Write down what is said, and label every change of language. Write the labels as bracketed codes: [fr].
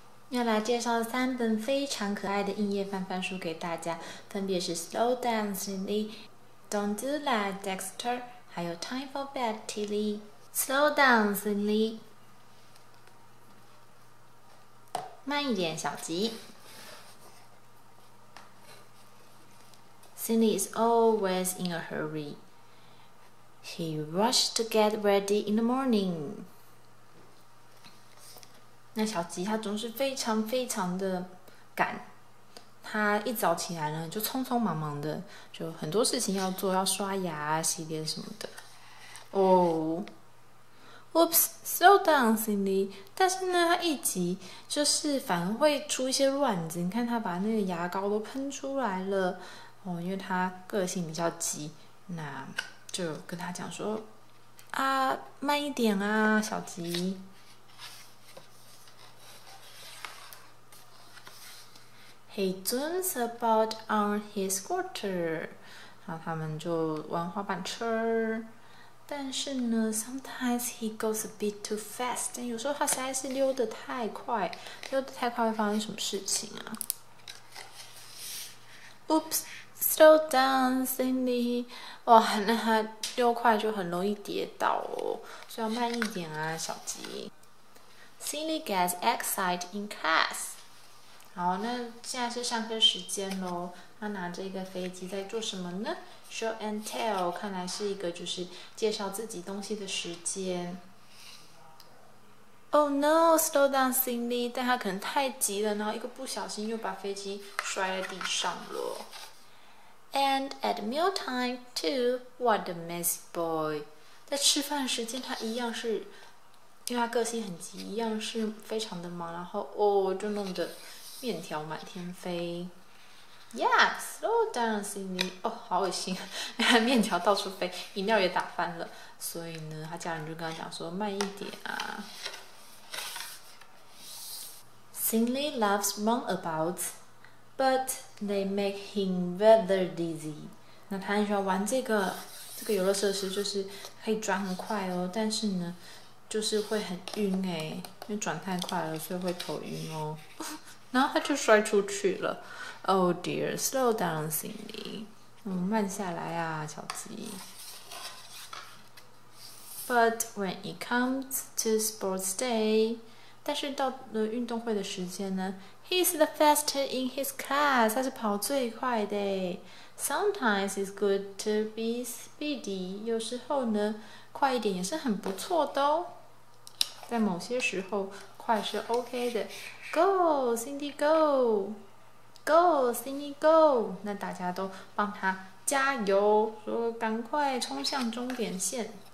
[zh] 要来介绍三本非常可爱的硬叶翻翻书给大家，分别是《Slow Down, Cindy》、《Don't Do That, Dexter》还有《Time for Bed, Tilly》。 《Slow Down, Cindy》，慢一点，小吉。 [en] Cindy is always in a hurry. He rushed to get ready in the morning. [zh] 那小吉他总是非常非常的赶，他一早起来呢就匆匆忙忙的，就很多事情要做，要刷牙、洗脸什么的。 [en] Oops, slow down, Cindy. [zh] 但是呢，他一急就是反而会出一些乱子。你看他把那个牙膏都喷出来了，哦，因为他个性比较急，那就跟他讲说，啊，慢一点啊，小吉。 [en] He zooms about on his scooter. [zh] 然后他们就玩滑板车。但是呢 [en] ,sometimes he goes a bit too fast. [zh] 但有时候他实在是溜得太快。溜得太快会发生什么事情啊 ? [en] Oops, slow down, Cindy. [zh] 哇那他溜快就很容易跌倒哦。所以要慢一点啊小吉。 [en] Cindy gets excited in class. [zh] 好，那现在是上课时间咯，他拿着一个飞机在做什么呢？ Show and tell， 看来是一个就是介绍自己东西的时间。 [en] Oh no, slow down, Cindy， [zh] 但他可能太急了，然后一个不小心又把飞机摔在地上了。 [en] And at meal time too, what a mess boy， [zh] 在吃饭时间他一样是，因为他个性很急，一样是非常的忙，然后哦就弄得面条满天飞 ， [en] Yeah, slow down, Cindy. [zh] 哦，好恶心，面条到处飞，饮料也打翻了。所以呢，他家人就跟他讲说，慢一点啊。 [en] Cindy loves runabouts, but they make him rather dizzy. [zh] 那他很喜欢玩这个游乐设施，就是可以转很快哦，但是呢，就是会很晕哎，因为转太快了，所以会头晕哦。然后他就摔出去了。 [en] Oh dear, slow down, Cindy. [zh] 慢下来啊，小吉。 [en] But when it comes to sports day, [zh] 但是到了运动会的时间呢 [en] ，he's the fastest in his class. [zh] 他是跑最快的。 [en] Sometimes it's good to be speedy. [zh] 有时候呢，快一点也是很不错的哦。在某些时候，快是 OK 的。 [en] Go, Cindy, go! Go, Cindy, go! [zh] 那大家都帮他加油，说赶快冲向终点线。